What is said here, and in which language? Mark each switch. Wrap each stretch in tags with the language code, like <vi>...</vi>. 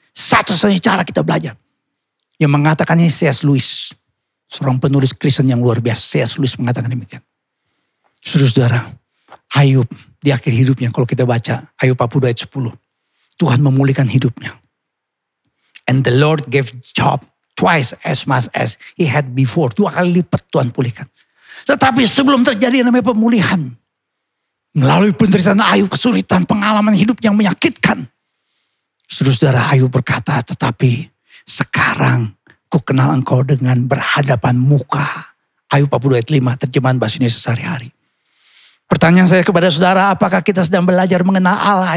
<id>Satu-satunya cara kita belajar. Yang mengatakannya C.S. Lewis. Seorang penulis Kristen yang luar biasa. C.S. Lewis mengatakan demikian. Saudara-saudara, Ayub di akhir hidupnya. Kalau kita baca Ayub 42 ayat 10. Tuhan memulihkan hidupnya.</id> <en>And the Lord gave Job twice as much as he had before.</en> <id>Dua kali lipat Tuhan pulihkan. Tetapi sebelum terjadi yang namanya pemulihan. Melalui penderitaan Ayub, kesulitan, pengalaman hidup yang menyakitkan. Saudara-saudara, Ayub berkata, tetapi sekarang ku kenal engkau dengan berhadapan muka. Ayub 42 ayat 5, terjemahan bahasa Indonesia sehari-hari. Pertanyaan saya kepada saudara, apakah kita sedang belajar mengenal Allah?</id>